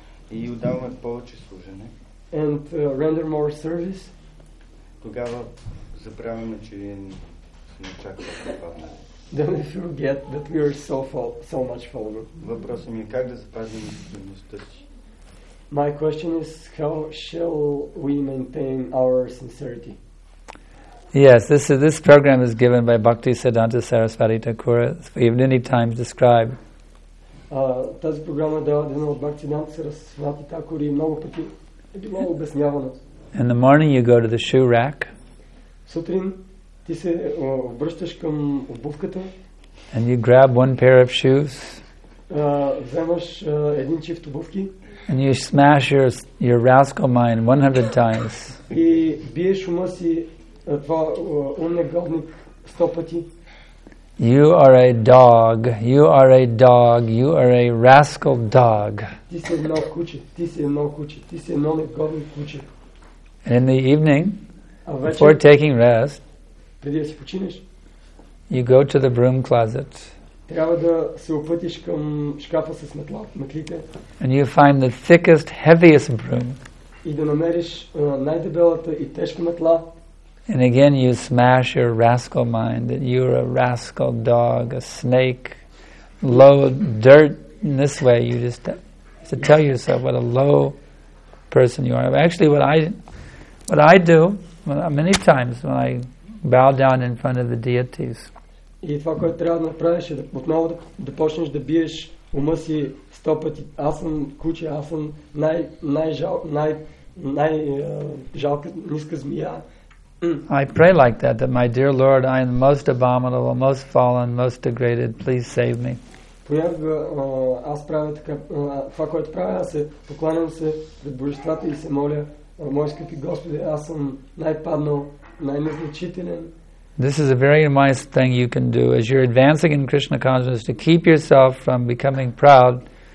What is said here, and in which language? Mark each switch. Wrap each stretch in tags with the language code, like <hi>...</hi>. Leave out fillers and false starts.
<bg>И отдаваме повече служене.</bg> <en>And render more service.</en> <bg>Тогава забравяме, че сме чак</bg> <en>Then we forget that we are so much fallen.</en> <bg>Въпросът ми е как да запазим сигурността си.</bg> <en>My question is how shall we maintain our sincerity? Yes, this program is given by Bhakti Siddhanta Sarasvati Thakura. We've many times described.</en> <bg>Тази програма е дана от Бхакти Сиддханта Сарасвати Такура и много пъти е било обяснявано.</bg> <en>In the morning you go to the shoe rack.</en> <bg>Сутрин ти се обръщаш към обувката.</bg> <en>And you grab one pair of shoes.</en> <bg>Вземаш един чифт обувки.</bg> <en>And you smash your rascal mind 100 times.</en> <bg>И биеш ума си това негодник 100 пъти.</bg> <en>You are a dog. You are a dog. You are a rascal dog.</en> <bg>Ти си едно куче. Ти си едно куче. Ти си едно негодник куче.</bg> <en>And in the evening, before taking rest,</en> <bg>преди да си починеш,</bg> <en>you go to the broom closet.</en> <bg>Трябва да се опътиш към шкафа с метлите.</bg> <en>And you find the thickest, heaviest broom.</en> <bg>И да намериш най-дебелата и тежка метла.</bg> <en>And again you smash your rascal mind that you're a rascal dog, a snake, low dirt. In this way you just have to tell yourself what a low person you are. Actually what I do many times when I bow down in front of the deities.</en> <bg>И това, което трябва да направиш, е отново да почнеш да биеш ума си 100 пъти. Аз съм куче, аз съм най-жалка ниска змия.</bg> <en>I pray like that, that my dear Lord, I am most abominable, most fallen, most degraded, please save me. This is a very nice thing you can do as you're advancing in Krishna consciousness to keep yourself from becoming proud.</en>